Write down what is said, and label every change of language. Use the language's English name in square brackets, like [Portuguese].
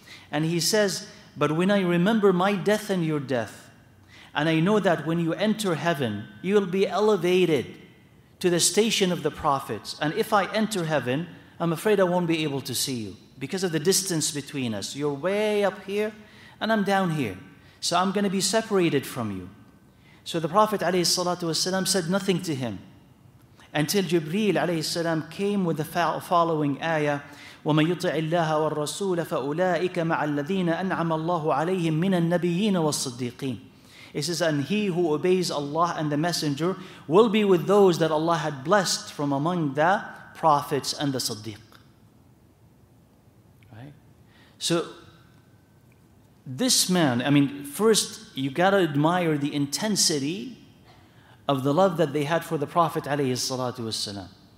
[English] And he says, but when I remember my death and your death, and I know that when you enter heaven, you'll be elevated to the station of the prophets. And if I enter heaven, I'm afraid I won't be able to see you because of the distance between us. You're way up here and I'm down here. So I'm going to be separated from you. So the Prophet ﷺ said nothing to him. until Jibreel alayhi salam came with the following ayah: [Arabic] وَمَنْ يُطِعِ اللَّهَ وَالرَّسُولَ فَأُولَٰئِكَ مَعَ الَّذِينَ أَنْعَمَ اللَّهُ عَلَيْهِمْ مِنَ النَّبِيِّينَ وَالصَّدِّيقِينَ. [English] It says, and he who obeys Allah and the Messenger will be with those that Allah had blessed from among the prophets and the Siddiq. Right? So this man, I mean, first you gotta admire the intensity of the love that they had for the Prophet alayhi salatu wasalam.